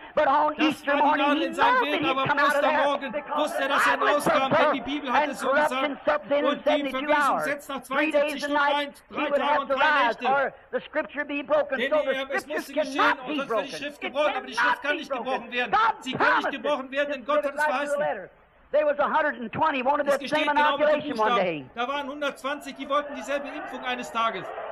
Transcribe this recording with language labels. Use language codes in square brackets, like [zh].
[de] Das war die Nadel in seinem Weg, aber am Ostermorgen wusste er, dass er rauskam, denn die Bibel hat es so gesagt. Und die Verwesung setzt nach 72 Stunden ein, drei Tage und drei Nächte. Denn es musste geschehen, und sonst wird die Schrift gebrochen, aber die Schrift kann nicht gebrochen werden. Sie kann nicht gebrochen werden, denn Gott hat es verheißen. [en] There was 120, wanted the same inoculation one day. [de] Da waren 120, die wollten dieselbe Impfung eines Tages.